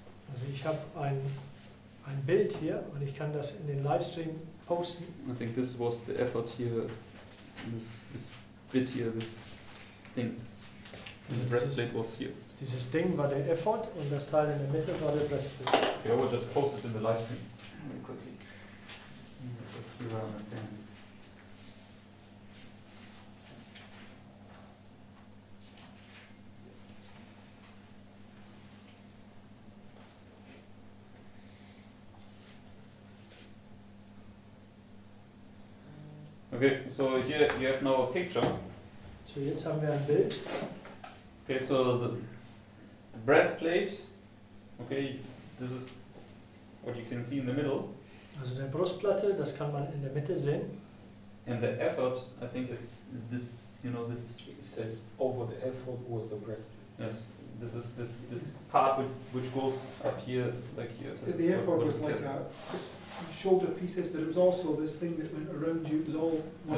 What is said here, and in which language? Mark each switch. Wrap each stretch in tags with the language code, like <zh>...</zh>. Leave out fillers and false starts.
<de>Also, ich habe ein Bild hier, und ich kann das in den Livestream posten.</de> <en>I think this was the effort here, this bit here, this thing. And the breastplate was here.</en> <de>Dieses Ding war der Effort und das Teil in der Mitte war der Breastplate.</de> <en>Okay, I will just post it in the live stream. Quickly. You will understand. Okay, so here you have now a picture.</en> <de>So jetzt haben wir ein Bild.</de> <en>Okay, so the breastplate, okay, this is what you can see in the middle.</en> <de>Also der Brustplatte, das kann man in der Mitte sehen.</de> <en>And the effort, I think, is this, you know, this. It says over the effort was the breastplate. Yes, this is this part which goes up here, like here. This the effort was like a shoulder piece, but it was also this thing that went around you. It was all one</en>